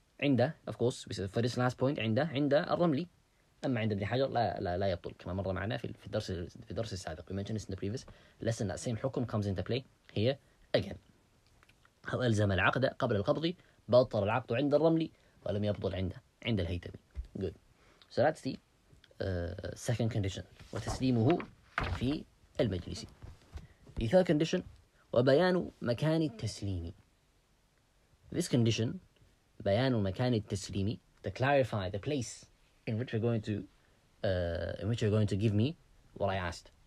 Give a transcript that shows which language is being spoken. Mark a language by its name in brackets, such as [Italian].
[English] عنده, of course, we said for this last point, [Arabic] عنده الرملي. أما عند ابن حجر لا يبطل. كما مر معنا في الدرس السابق. [English] We mentioned this in the previous lesson. That same حكم comes into play here again. [Arabic] أو ألزم العقد قبل القبض. بطل العقد عند الرملي ولم يبطل عند الهيتمي. [English] Good. So that's the second condition. [Arabic] وتسليمه في المجلس. [English] The third condition. [Arabic] وبيان مكان التسليم. [English] This condition, [Arabic] بيان مكان التسليم, [English] to clarify the place in which you're going to give me what I asked.